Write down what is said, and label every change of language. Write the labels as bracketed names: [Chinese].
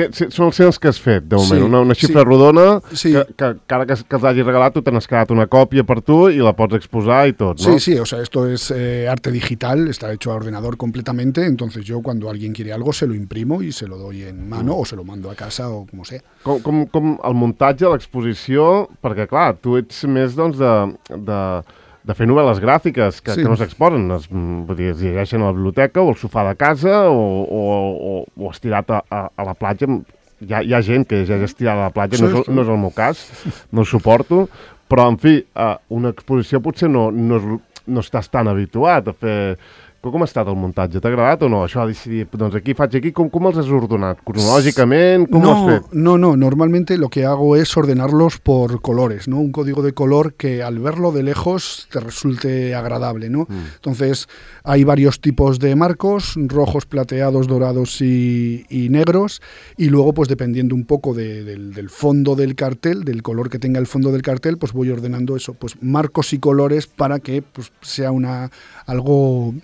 [Catalan] Són els 100 que has fet, de moment, sí, una xifra, sí, rodona, sí. Que ara que els hagis regalat, tu te n'has quedat una còpia per tu i la pots exposar i tot, no? [Spanish] Sí, sí, o sea, esto es arte digital, está hecho a ordenador completamente, entonces yo cuando alguien quiere algo se lo imprimo y se lo doy en mano o se lo mando a casa o como sea. [Catalan] Com el muntatge, l'exposició, perquè clar, tu ets més doncs de fer novel·les gràfiques que no s'exposen, es llegeixen a la biblioteca o al sofà de casa o estirat a la platja. Hi ha gent que ja és estirada a la platja, sí, no és el meu cas, no ho suporto, però, en fi, una exposició potser no estàs tan habituat a fer... Com ha estat el muntatge? T'ha agradat o no? Això de decidir, doncs aquí faig aquí, com els has ordenat? Cronològicament? Com no, ho has fet? [Spanish] No, normalmente lo que hago es ordenarlos por colores, ¿no? Un código de color que al verlo de lejos te resulte agradable, ¿no? Entonces hay varios tipos de marcos, rojos, plateados, dorados y negros, y luego pues dependiendo un poco del fondo del cartel, del color que tenga el fondo del cartel, pues voy ordenando eso, pues marcos y colores para que pues sea algo...